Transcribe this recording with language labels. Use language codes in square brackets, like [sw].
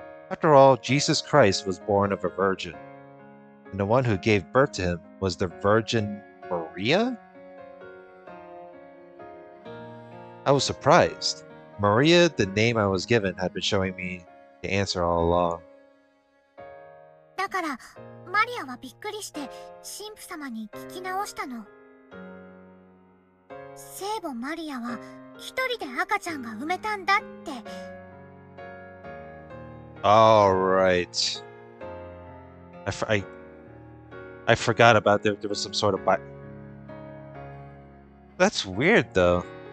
[en] After all, Jesus Christ was born of a virgin, and the one who gave birth to him was the Virgin Maria? I was surprised. Maria, the name I was given, had been showing me the answer all along. [ja] だから、マリアはびっくりして、神父様に聞き直したの。聖母マリアは、一人で赤ちゃんが産めたんだって。 [en] Alright. I forgot about there was some sort of bi- That's weird, though.